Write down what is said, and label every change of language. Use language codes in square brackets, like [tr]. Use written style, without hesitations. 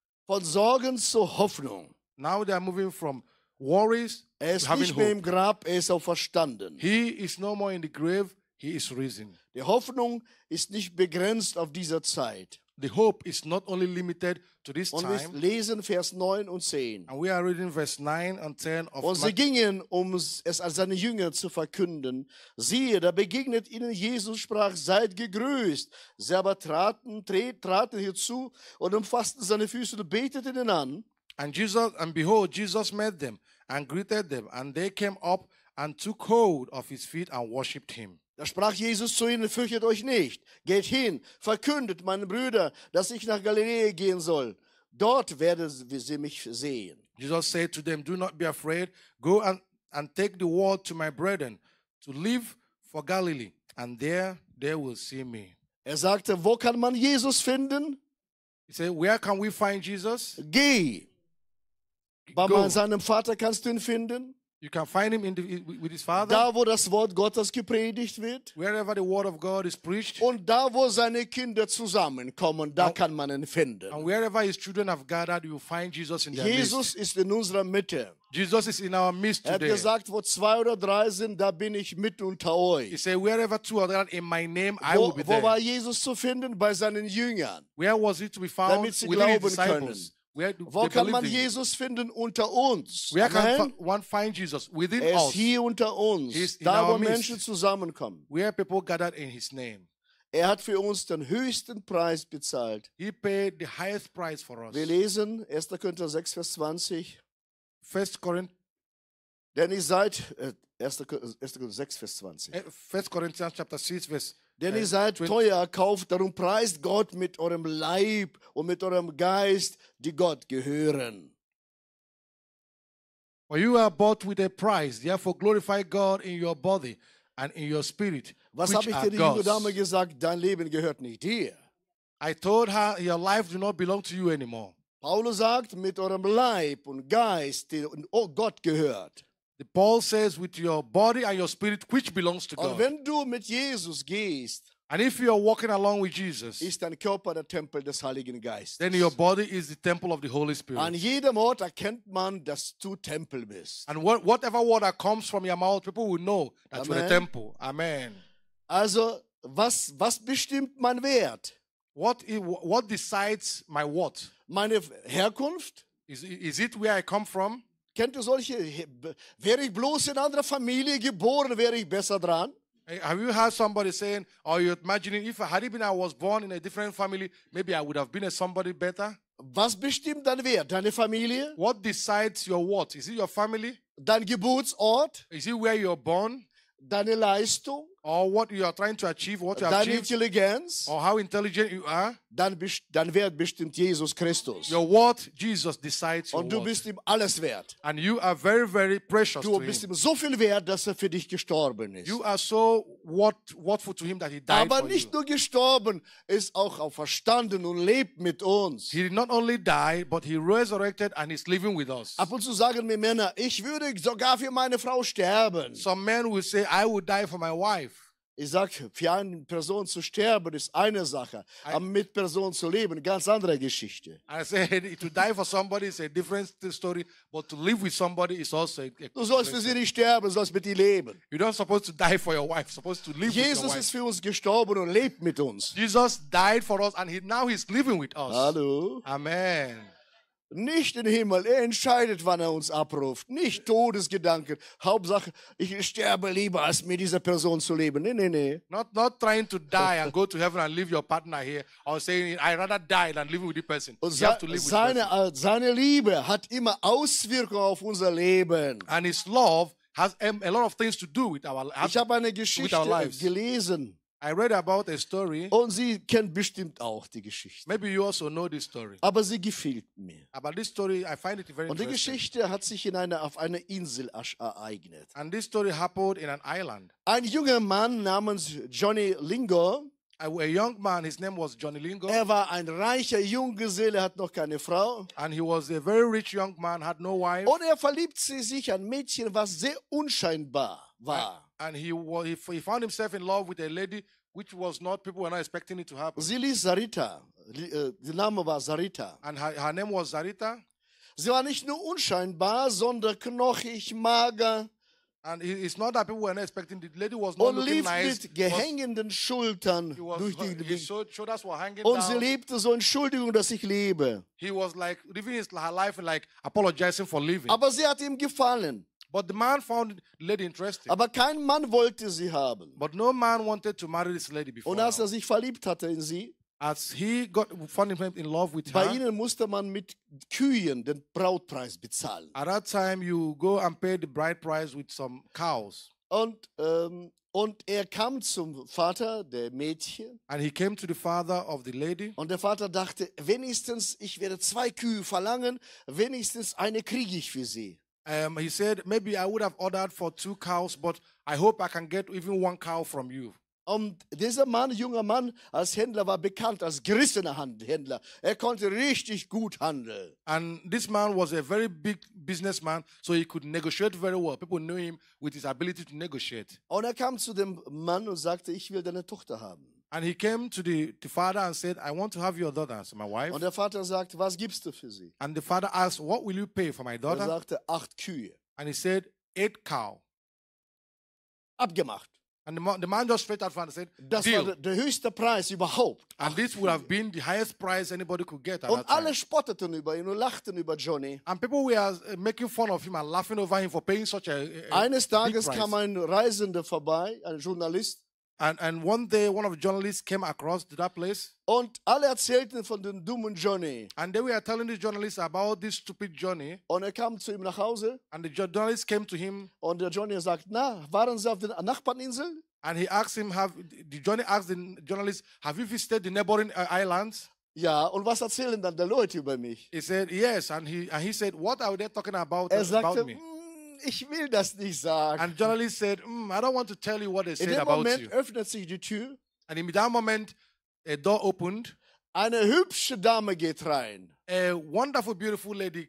[de] Von Sorgen zu Hoffnung. [en] Now they are moving from worries [de] er ist [en] to having [de] nicht mehr [en] hope. [de] Im Grab, er ist auferstanden. [en] He is no more in the grave, he is risen. [de] Die Hoffnung ist nicht begrenzt auf dieser Zeit. [en] The hope is not only limited to this [de] und [en] time. [de] Und wir lesen Vers 9 und 10. [en] And we are reading verse 9 and 10 of [de] und sie gingen, um es als seine Jünger zu verkünden. Siehe, da begegnet ihnen Jesus, sprach, seid gegrüßt. Sie aber traten hierzu und umfassten seine Füße und beteten ihn an. [en] And behold, Jesus met them and greeted them. And they came up and took hold of his feet and worshipped him. [de] Da sprach Jesus zu ihnen, fürchtet euch nicht, geht hin, verkündet meinen Brüdern, dass ich nach Galiläa gehen soll. Dort werden sie mich sehen. [en] Jesus said to them, do not be afraid, go and take the word to my brethren, to live for Galilee, and there they will see me. [de] Er sagte, wo kann man Jesus finden? [en] He said, where can we find Jesus? [de] Geh. Bei seinem Vater kannst du ihn finden. [en] You can find him in the, with his father. [de] Da, wo das Wort Gottes gepredigt wird. [en] Wherever the word of God is preached. [de] Und da, wo seine Kinder zusammenkommen, da kann man ihn finden. [en] And wherever his children have gathered, you find Jesus in their Jesus midst. [de] Jesus ist in unserer Mitte. [en] Jesus is in our midst today. [de] Er hat gesagt, wo zwei oder drei sind, da bin ich mit unter euch. [en] He said, wherever two or three in my name, I will be there. [de] Wo war Jesus zu finden? Bei seinen Jüngern. [en] Where was he to be found? [de] Damit sie glauben können. Wo kann man Jesus finden unter uns? [en] Where can one find Jesus within us? [de] Er ist hier unter uns, da wo Menschen zusammenkommen. [en] Where people gathered in his name. [de] Er hat für uns den höchsten Preis bezahlt. [en] He paid the highest price for us. [de] Wir lesen 1. Korinther 6, Vers 20. 1. Korinther. Denn ihr seid 1. Korinther 6, Vers 20. [en] 1. Korinther chapter 6, Vers. [de] Denn ihr seid teuer erkauft, darum preist Gott mit eurem Leib und mit eurem Geist, die Gott gehören. [en] For you are bought with a price, therefore glorify God in your body and in your spirit. [de] Was habe ich dir, die junge Dame, gesagt? Dein Leben gehört nicht dir. [en] I told her, your life do not belong to you anymore. [de] Paulus sagt, mit eurem Leib und Geist, Gott gehört. [en] The Paul says, with your body and your spirit, which belongs to God. [de] Und wenn du mit Jesus gehst, [en] and if you are walking along with Jesus, [de] ist dein Körper der Tempel des Heiligen Geistes. [en] Then your body is the temple of the Holy Spirit. [de] An jedem Ort erkennt man, dass du Tempel bist. [en] And whatever word that comes from your mouth, people will know that you're a temple. Amen. [de] Also, was bestimmt mein Wert? [en] What decides my what? [de] Meine Herkunft? [en] Is it where I come from? [de] Kennt ihr solche, wäre ich bloß in einer Familie geboren, wäre ich besser dran? [en] Have you heard somebody saying, or you imagining, if I had been, I was born in a different family, maybe I would have been a somebody better? [de] Was bestimmt dein Wert, deine Familie? [en] What decides your what? Is it your family? [de] Dein Geburtsort? [en] Is it where you're born? [de] Deine Leistung? [en] Or what you are trying to achieve, what you [de] deine [en] achieve? [de] Deine Intelligenz? [en] Or how intelligent you are? [de] Dein Wert bestimmt Jesus Christus. [en] Your what, Jesus decides your [de] und du [en] what. [de] Bist ihm alles wert. [en] And you are very, very precious [de] du Du bist ihm so viel wert, dass er für dich gestorben ist. [en] You are so worthful to him that he died [de] aber [en] for [de] nicht [en] you. [de] Nur gestorben, ist auch auferstanden und lebt mit uns. [en] He did not only die, but he resurrected and is living with us. [de] Ab und zu sagen mir Männer, ich würde sogar für meine Frau sterben. [en] Some men will say, I would die for my wife. [de] Ich sage, für eine Person zu sterben ist eine Sache, aber mit Person zu leben, ganz andere Geschichte. [en] I said, to die for somebody is a different story, but to live with somebody is also a [de] du sollst für sie nicht sterben, du sollst mit ihr leben. [en] You're not supposed to die for your wife, supposed to live Jesus with your wife. [de] Jesus ist für uns gestorben und lebt mit uns. [en] Jesus died for us and now he's living with us. [de] Hallo. Amen. Nicht in den Himmel, er entscheidet, wann er uns abruft. Nicht Todesgedanken. Hauptsache, ich sterbe lieber, als mit dieser Person zu leben. Nee, nee, nee. [en] Not trying to die and go to heaven and leave your partner here. Or saying, I'd rather die than live with the person. You have to live with [de] seine, [en] the person. [de] Seine Liebe hat immer Auswirkungen auf unser Leben. [en] And his love has a lot of things to do with our lives. [de] Ich habe eine Geschichte gelesen. [en] I read about a story. [de] Und sie kennt bestimmt auch die Geschichte. [en] Maybe you also know this story. [de] Aber sie gefällt mir. [en] But this story, I find it very [de] und Und die Geschichte hat sich in einer auf einer Insel ereignet. [en] And this story happened in an island. [de] Ein junger Mann namens Johnny Lingo. [en] A young man, his name was Johnny Lingo. [de] Er war ein reicher Junggeselle, hat noch keine Frau. [en] And he was a very rich young man, had no wife. [de] Und er verliebt sich an Mädchen, was sehr unscheinbar war. [en] And he found himself in love with a lady which was not, people were not expecting it to happen. Zili Zarita. The name was Zarita. And her name was Zarita. [de] Sie war nicht nur unscheinbar, sondern knochig, mager. [en] And it's not that people were not expecting it. The lady was not looking nice. [de] Und lief mit gehängenden Schultern durch die Gegend. [en] His shoulders were hanging [de] down. Und sie lebte so, Entschuldigung, dass ich lebe. [en] He was like living his life like apologizing for living. [de] Aber sie hat ihm gefallen. [en] But the man found the lady interesting. [de] Aber kein Mann wollte sie haben. [en] But no man wanted to marry this lady before. [de] Und als er sich verliebt hatte in sie, [en] as he got found him in love with [de] bei [en] her, [de] ihnen musste man mit Kühen den Brautpreis bezahlen. [en] At that time you go and pay the bride price with some cows. [de] Und er kam zum Vater der Mädchen. [en] And he came to the father of the lady. [de] Und der Vater dachte, wenigstens ich werde zwei Kühe verlangen, wenigstens eine kriege ich für sie. [en] He said, maybe I would have ordered for two cows, but I hope I can get even one cow from you. [de] Und dieser Mann, junger Mann, als Händler war bekannt als gerissener Händler. Er konnte richtig gut handeln. [en] And this man was a very big businessman, so he could negotiate very well. People knew him with his ability to negotiate. [de] Und er kam zu dem Mann und sagte, ich will deine Tochter haben. [en] And he came to the father and said, I want to have your daughter as my wife. [de] Und der Vater sagt, was gibst du für sie? [en] And the father asked, what will you pay for my daughter? [de] Er sagte, 8 Kühe. [en] And he said, 8 cow. [de] Abgemacht. [en] And the man just straight out front and said, [de] das [en] deal. [de] War der höchste Preis überhaupt. [en] And this would have been the highest price anybody could get at [de] und [en] that [de] alle [en] time. [de] Spotteten über ihn und lachten über Johnny. [en] And people were making fun of him and laughing over him for paying such a [de] eines Tages kam ein Reisender vorbei, ein Journalist. [en] And one day, one of the journalists came across to that place. [de] Und alle erzählten von dem dummen Johnny. [en] And they were telling the journalist about this stupid Johnny. [de] Und er kam zu ihm nach Hause. [en] And the journalist came to him. [de] Und der Johnny sagt, na, waren Sie auf der Nachbarninsel? [en] And he asked him, the journalist, have you visited the neighboring islands? [de] Ja, und was erzählen dann die Leute über mich? [en] He said, yes, and he said, what are they talking about, [de] er sagte, [en] about me? [de] Ich will das nicht sagen. [en] And the journalist said, I don't want to tell you what they said about [de] Moment [en] you. [de] Öffnet sich die Tür. [en] And in that moment, a door opened. [de] Eine hübsche Dame geht rein. [en] A wonderful, beautiful lady